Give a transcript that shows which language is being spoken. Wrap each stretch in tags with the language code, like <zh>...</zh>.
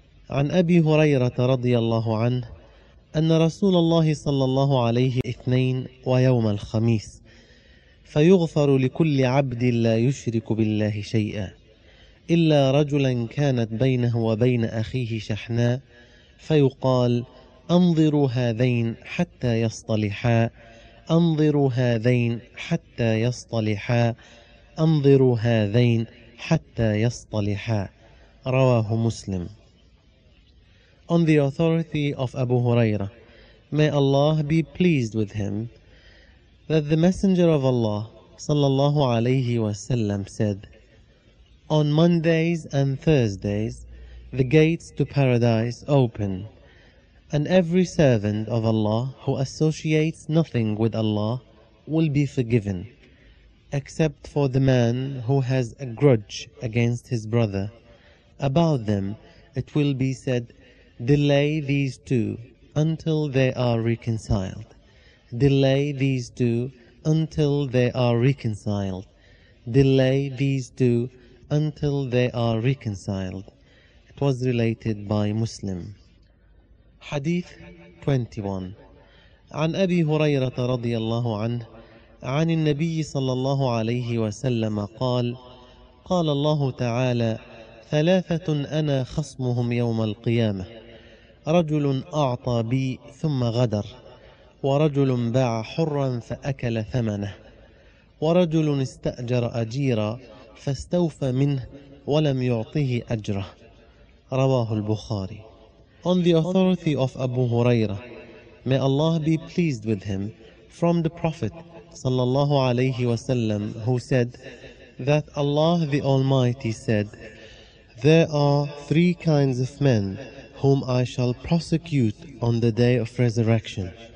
<ar>عن أبي هريرة رضي الله عنه أن رسول الله صلى الله عليه اثنين ويوم الخميس فيغفر لكل عبد لا يشرك بالله شيئا إلا رجلا كانت بينه وبين أخيه شحناء فيقال أنظروا هذين حتى يصطلحا أنظروا هذين حتى يصطلحا أنظروا هذين حتى يصطلحا. رواه مسلم.</ar> <en>On the authority of Abu Huraira, may Allah be pleased with him, that the Messenger of Allah, sallallahu alayhi wa sallam, said, On Mondays and Thursdays, the gates to paradise open, and every servant of Allah who associates nothing with Allah will be forgiven, except for the man who has a grudge against his brother. About them, it will be said, Delay these two until they are reconciled. Delay these two until they are reconciled. Delay these two until they are reconciled. It was related by Muslim. Hadith 21.</en> <ar>عن أبي هريرة رضي الله عنه عن النبي صلى الله عليه وسلم قال قال الله تعالى ثلاثة أنا خصمهم يوم القيامة رجل أعطى بي ثم غدر ورجل باع حرا فأكل ثمنه، ورجل استأجر أجيرا فاستوفى منه ولم يعطه أجره. رواه البخاري.</ar> <en>On the authority of Abu Huraira, may Allah be pleased with him, from the Prophet sallallahu alayhi wa sallam, who said that Allah the Almighty said, "There are three kinds of men whom I shall prosecute on the day of resurrection.</en>